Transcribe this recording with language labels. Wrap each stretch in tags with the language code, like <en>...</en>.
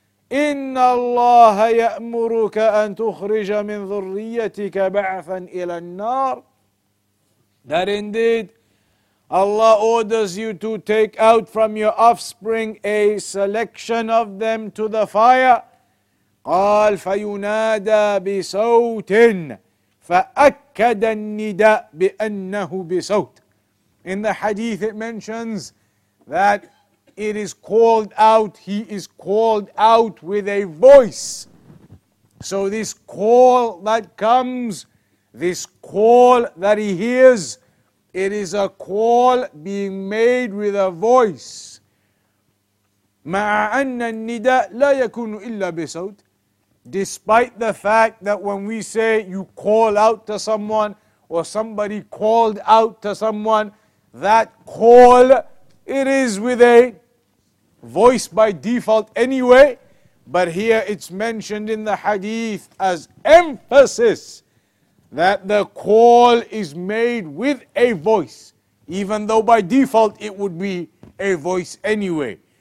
<ar>إِنَّ اللَّهَ يَأْمُرُكَ أَن تُخْرِجَ مِن ذُرِّيَّتِكَ بَعْثًا إِلَى النَّارِ.</ar> <en>that indeed Allah orders you to take out from your offspring a selection of them to the fire.</en> <ar>قال فينادى بصوت فأكد النداء بأنه بصوت.</ar> <en>In the hadith it mentions that it is called out, he is called out with a voice. So this call that comes, this call that he hears, it is a call being made with a voice.</en> <ar>مع أن النداء لا يكون إلا بصوت.</ar> <en>Despite the fact that when we say you call out to someone or somebody called out to someone, that call, it is with a voice by default anyway. But here it's mentioned in the hadith as emphasis that the call is made with a voice, even though by default it would be a voice anyway.</en>